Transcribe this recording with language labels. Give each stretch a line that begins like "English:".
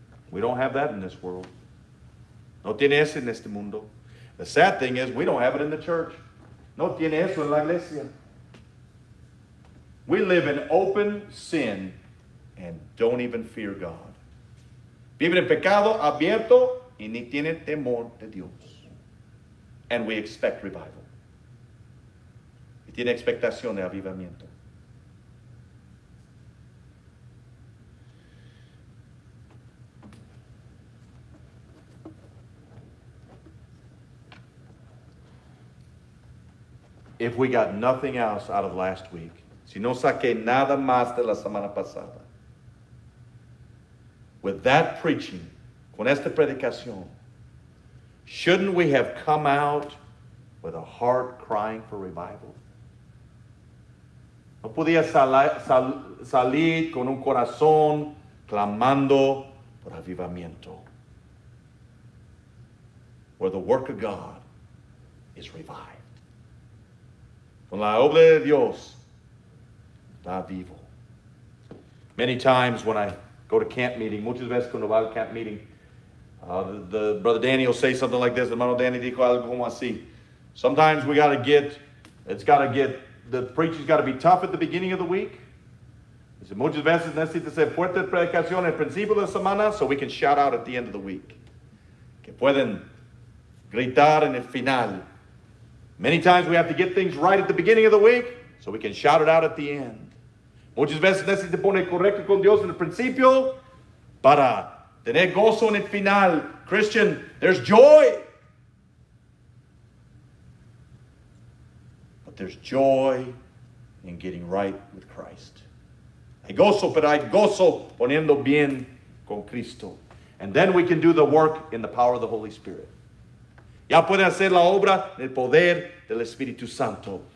English: We don't have that in this world.
Spanish: No tiene eso en este mundo.
English: The sad thing is we don't have it in the church.
Spanish: No tiene eso en la iglesia.
English: We live in open sin and don't even fear God.
Spanish: Viven en pecado abierto y ni tienen temor de Dios.
English: And we expect revival.
Spanish: Y tiene expectación de avivamiento.
English: If we got nothing else out of last week,
Spanish: si no saqué nada más de la semana pasada,
English: with that preaching,
Spanish: con esta predicación,
English: shouldn't we have come out with a heart crying for revival?
Spanish: No podía salir con un corazón clamando por avivamiento.
English: Where the work of God is revived.
Spanish: Con la obra de Dios da vivo.
English: Many times when I go to camp meeting,
Spanish: muchas veces cuando voy al camp meeting,
English: the brother Danny will say something like this,
Spanish: hermano Danny dijo algo como así.
English: Sometimes we got to get, the preacher's got to be tough at the beginning of the week. He said,
Spanish: muchas veces necesito ser fuerte de predicación al principio de la semana
English: so we can shout out at the end of the week.
Spanish: Que pueden gritar en el final.
English: Many times we have to get things right at the beginning of the week so we can shout it out at the end.
Spanish: Muchas veces necesito poner correcto con Dios en el principio para tener gozo en el final.
English: Christian, there's joy. But there's joy in getting right with Christ.
Spanish: Hay gozo, pero hay gozo poniendo bien con Cristo.
English: And then we can do the work in the power of the Holy Spirit.
Spanish: Ya puede hacer la obra en el poder del Espíritu Santo.